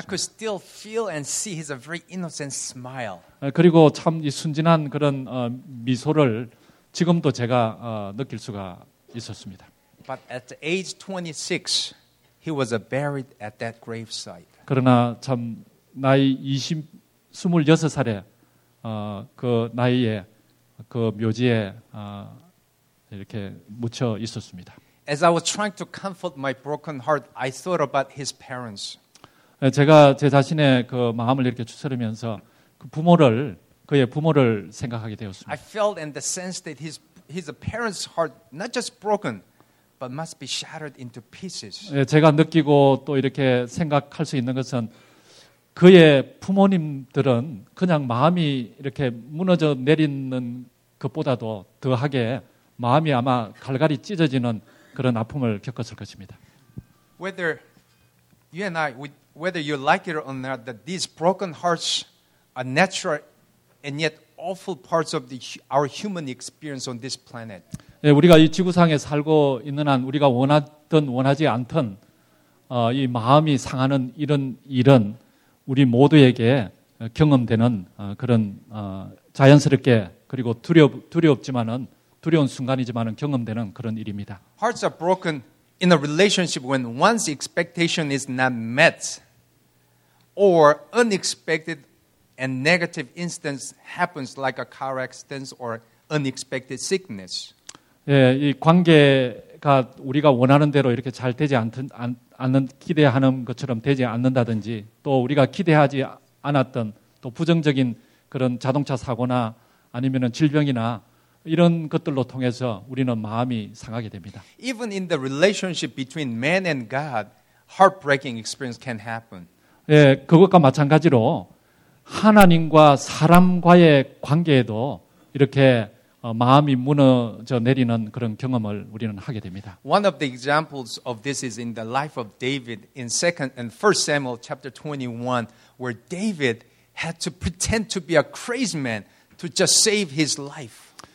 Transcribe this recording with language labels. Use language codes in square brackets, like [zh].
[en] I could still feel and see his very innocent smile. [ko] 그리고 참 이 순진한 그런 미소를 지금도 제가 느낄 수가 있었습니다. [en] But at the age 26, he was buried at that grave site. [ko] 그러나 참 나이 26살에 그 나이에 그 묘지에 이렇게 묻혀 있었습니다. [en] As I was trying to comfort my broken heart, I thought about his parents. [ko] 제가 제 자신의 그 마음을 이렇게 추스르면서 그의 부모를 생각하게 되었습니다. [en] I felt in the sense that his parents' heart not just broken, but must be shattered into pieces. [ko] 제가 느끼고 또 이렇게 생각할 수 있는 것은 그의 부모님들은 그냥 마음이 이렇게 무너져 내리는 그보다도 더하게 마음이 아마 갈갈이 찢어지는 그런 아픔을 겪었을 것입니다. [en] Whether you and I, whether you like it or not, that these broken hearts are natural and yet awful parts of our human experience on this planet. [ko] 예, 우리가 이 지구상에 살고 있는 한 우리가 원하든 원하지 않든 이 마음이 상하는 이런 일은 우리 모두에게 경험되는 그런 자연스럽게 그리고 두렵지만은 두려운 순간이지만은 경험되는 그런 일입니다. [en] Hearts are broken in a relationship when one's expectation is not met or unexpected and negative instance happens like a car accident or unexpected sickness. [ko] 예, 이 관계 교회가 우리가 원하는 대로 이렇게 잘 되지 않는 기대하는 것처럼 되지 않는다든지 또 우리가 기대하지 않았던 또 부정적인 그런 자동차 사고나 아니면은 질병이나 이런 것들로 통해서 우리는 마음이 상하게 됩니다. [en] Even in the relationship between man and God, heartbreaking experience can happen. [ko] 예, 그것과 마찬가지로 하나님과 사람과의 관계에도 이렇게 마음이 무너져 내리는 그런 경험을 우리는 하게 됩니다. [en] One of the examples of this is in the life of David in 2nd and 1st Samuel chapter 21 where David had to pretend to be a crazy man to just save his life.